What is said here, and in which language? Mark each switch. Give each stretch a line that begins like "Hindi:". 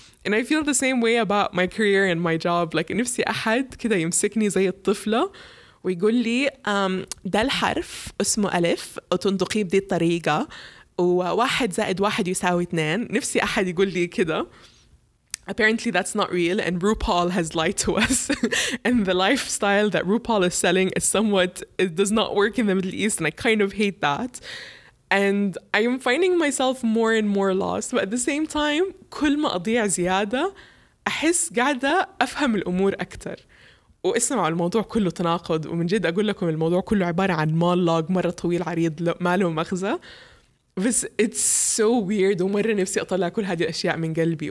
English: And I feel the same way about my career and my job.
Arabic: Like نفسي أحد كده يمسكني زي الطفلة ويقول لي ده الحرف اسمه ألف وتنطقي بدي الطريقة وواحد زائد واحد يساوي اثنين. نفسي أحد يقول لي كده.
English: Apparently that's not real and RuPaul has lied to us and the lifestyle that RuPaul is selling is somewhat, it does not work in the Middle East and I kind of hate that. And I am finding myself more and more lost. But at the same time,
Arabic: كل ما أضيع زيادة أحس قاعدة أفهم الأمور أكتر. واسمعوا الموضوع كله تناقض ومن جد أقول لكم الموضوع كله عبارة عن مونولوج مرة طويل عريض ما له مغزى. بس
English: it's so weird
Arabic: ومرة نفسي أطلع كل هذه الأشياء من قلبي.